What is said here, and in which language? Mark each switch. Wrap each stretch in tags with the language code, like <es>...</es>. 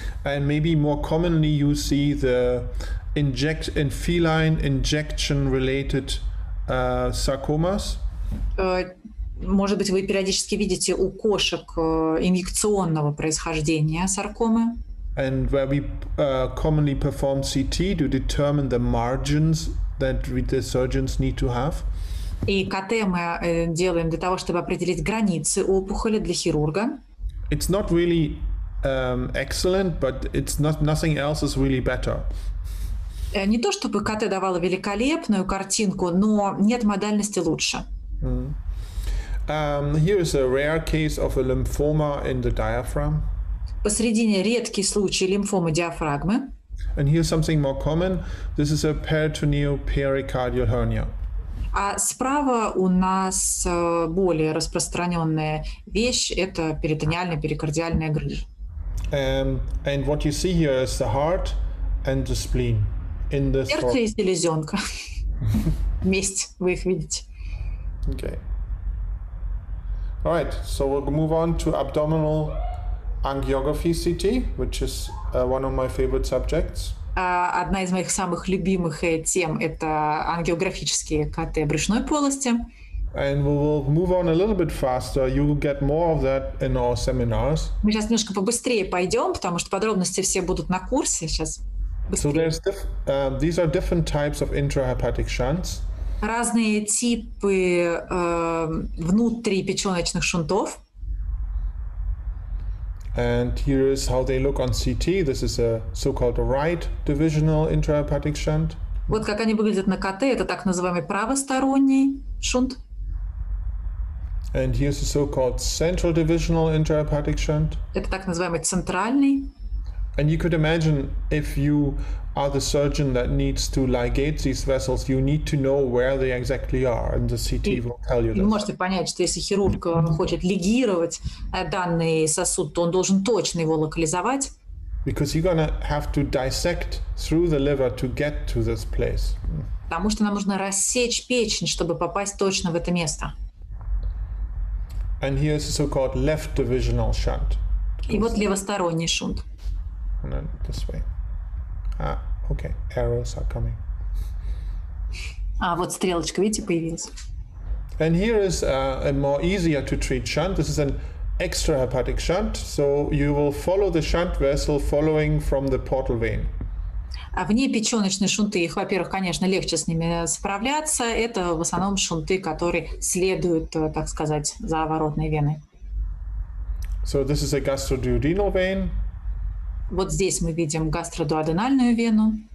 <en>And maybe more commonly you see the feline injection-related sarcomas.</en> <ru>Может быть, вы периодически видите у кошек инъекционного происхождения саркомы.</ru> <en>And where we commonly perform CT to determine the margins that the surgeons need to have.</en> <ru>И КТ мы делаем для того, чтобы определить границы опухоли для хирурга.</ru> <en>It's not really excellent, but it's not, nothing else is really better.</en> <ru>Не то чтобы КТ давало великолепную картинку, но нет модальности лучше.</ru> <en>Here is a rare case of a lymphoma in the diaphragm.</en> <ru>Посредине редкий случай лимфомы диафрагмы.</ru> <en>And here's something more common. This is a peritoneal pericardial hernia.</en> <ru>А справа у нас более распространенная вещь – это перитониальная перикардиальная грыжа.</ru> <en>And what you see here is the heart and the spleen in this.</en> <ru>Сердце и селезенка. Вместе вы их видите.</ru> <en>Okay. All right. So we'll move on to abdominal angiography CT, which is one of my favorite subjects.</en> <ru>Одна из моих самых любимых тем – это ангиографические КТ брюшной полости.</ru> <en>And we will move on a little bit faster. You will get more of that in our seminars.</en> <ru>Мы сейчас немножко побыстрее пойдем, потому что подробности все будут на курсе сейчас.</ru> <en>So there's these are different types of intrahepatic shunts.</en> <ru>Разные типы внутрипеченочных шунтов.</ru> <en>And here is how they look on CT. This is a so-called right divisional intrahepatic shunt.</en> <ru>Вот как они выглядят на КТ. Это так называемый правосторонний шунт.</ru> <en>And here's a so-called central divisional intrahepatic shunt.</en> <ru>Это так называемый центральный.</ru> <en>And you could imagine if you are the surgeon that needs to ligate these vessels, you need to know where they exactly are, and the CT will tell you that.</en> <ru>Вы можете понять, что если хирург хочет лигировать данный сосуд, то он должен точно его локализовать.</ru> <en>Because you're gonna have to dissect through the liver to get to this place.</en> <ru>Потому что нам нужно рассечь печень, чтобы попасть точно в это место.</ru> <en>And here's a so-called left divisional shunt.</en> <ru>И вот левосторонний шунт.</ru> <en>And then this way. Ah, okay. Arrows are coming.</en> <ru>А вот стрелочка, видите, появилась.</ru> <en>And here is a more easier to treat shunt. This is an extrahepatic shunt. So you will follow the shunt vessel following from the portal vein.</en> <ru>А вне печёночные шунты, их, во-первых, конечно, легче с ними справляться. Это в основном шунты, которые следуют, так сказать, за воротной веной.</ru> <en>So this is a gastroduodenal vein.</en> <ru>Вот здесь мы видим гастродуоденальную вену.</ru>